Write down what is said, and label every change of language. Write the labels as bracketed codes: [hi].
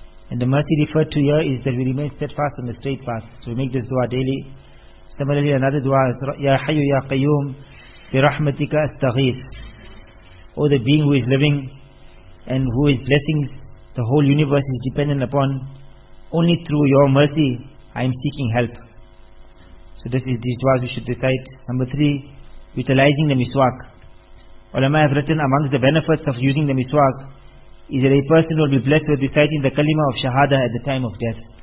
[en] And the mercy referred to here is that we remain steadfast on the straight path. So we make this dua daily. Similarly, another dua is, [ar] يَا حَيُّ يَا قَيُّمْ بِرَحْمَتِكَ أَسْتَغِيثُ. [en] Oh, the being who is living and who is blessing the whole universe is dependent upon, only through your mercy I am seeking help. So this is these duas we should recite. Number three, utilizing the miswak. Ulama have written amongst the benefits of using the miswak is that a person will be blessed with reciting the kalima of shahada at the time of death.